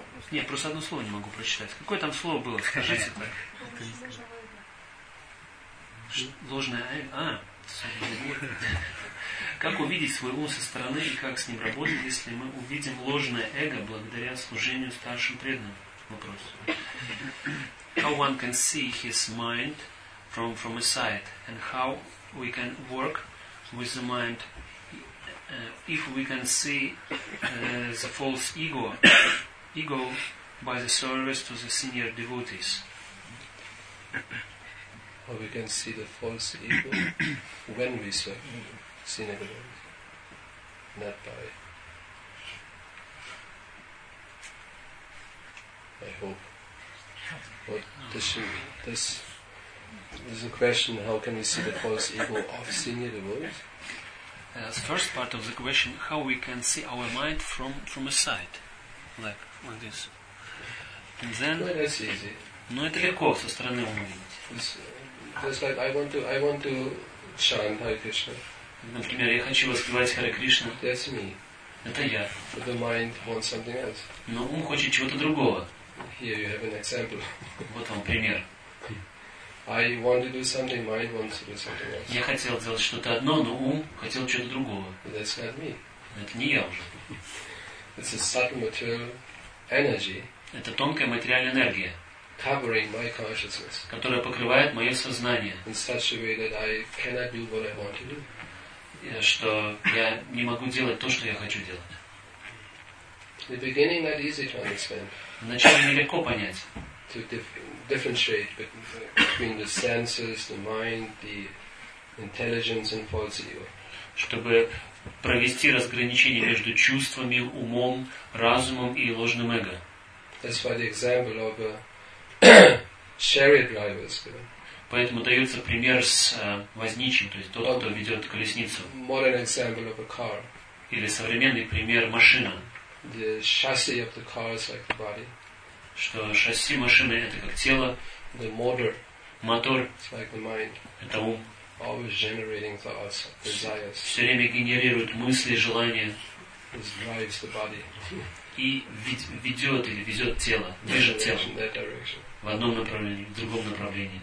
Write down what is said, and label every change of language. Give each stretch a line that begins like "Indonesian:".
Russian: Нет, просто одно слово не могу прочитать. Какое там слово было? Скажите так. Ложное «а». Как увидеть свой ум со стороны и как с ним работать, если мы увидим ложное эго благодаря служению старшим преданным? Вопрос.
English: How one can see his mind from a side and how we can work with the mind if we can see the false ego by the service to the senior devotees? Or we can see the false ego when we serve senior devotees, not by hope. But this is a question: how can we see the false ego of senior devotees? The first part of the question: how we can see our mind from a side, like this. And then. No, that's easy.
Russian: Но это легко со стороны ума видеть.
English: Just like I want to chant Hare Krishna.
Russian: Например, я хочу воспевать Харе Кришна.
English: That's me.
Russian: Это я.
English: But the mind wants something else.
Russian: Но ум хочет чего-то другого.
English: Here you have an example.
Russian: Вот вам пример.
English: I want to do something, mind wants to do something else.
Russian: Я хотел делать что-то одно, но ум хотел чего-то другого.
English: But that's not me.
Russian: Это не я уже.
English: It's a subtle material energy.
Russian: Это тонкая материальная энергия.
English: Covering my consciousness.
Russian: Которая покрывает мое сознание.
English: In such a way that I cannot do what I want to do.
Russian: Что я не могу делать то, что я хочу делать.
English: The beginning not easy to understand.
Russian: Вначале нелегко понять.
English: To differentiate between the senses, the mind, the intelligence and false ego.
Russian: Чтобы провести разграничение между чувствами, умом, разумом и ложным эго.
English: That's why the example of a chariot driver is given.
Russian: Поэтому дается пример с возничим, то есть тот, кто ведет колесницу.
English: Modern example of a car.
Russian: Или современный пример машина.
English: The chassis of the car is like the body.
Russian: Что шасси машины это как тело.
English: The motor.
Russian: Мотор.
English: It's like the mind.
Russian: Это ум.
English: Always generating thoughts, desires.
Russian: Все время генерирует мысли, желания.
English: It drives the body.
Russian: И ведет или везет тело, движет тело в одном направлении, в другом направлении.